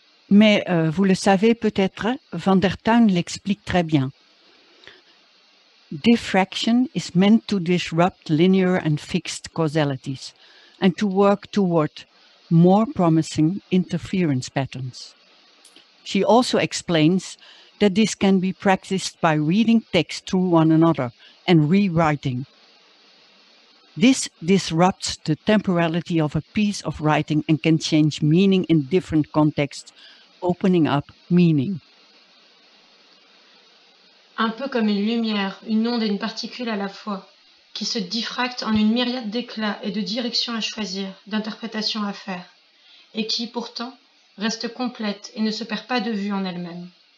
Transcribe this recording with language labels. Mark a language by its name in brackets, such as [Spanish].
[French] Mais vous le savez peut-être, Van der Tuin l'explique très bien. [English] Diffraction is meant to disrupt linear and fixed causalities and to work toward more promising interference patterns. She also explains that this can be practiced by reading text through one another and rewriting. This disrupts the temporality of a piece of writing and can change meaning in different contexts, opening up meaning. [French] Un peu comme une lumière, une onde et une particule à la fois, qui se diffracte en une myriade d'éclats et de directions à choisir, d'interprétations à faire, et qui, pourtant, reste complète et ne se perd pas de vue en elle-même.